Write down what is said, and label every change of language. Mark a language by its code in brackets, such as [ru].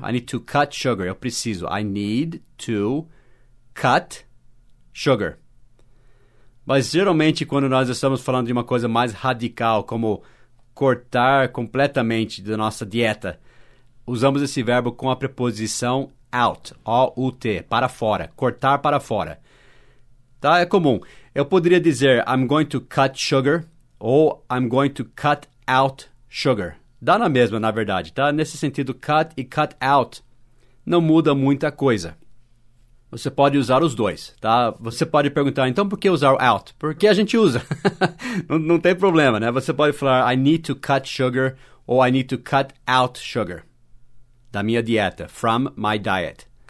[en] I need to cut sugar. [pt] Eu preciso. [en] I need to cut sugar. [pt] Mas geralmente quando nós estamos falando de uma coisa mais radical, como cortar completamente da nossa dieta, usamos esse verbo com a preposição out, O-U-T, para fora, cortar para fora. Tá? É comum. Eu poderia dizer [en] I'm going to cut sugar [pt] ou [en] I'm going to cut out sugar. [pt] Dá na mesma, na verdade, tá? Nesse sentido, cut e cut out não muda muita coisa. Você pode usar os dois, tá? Você pode perguntar, então por que usar o out? Porque a gente usa. Não tem problema, né? Você pode falar [en] I need to cut sugar [pt] ou [en] I need to cut out sugar [pt] da minha dieta, [en] from my diet.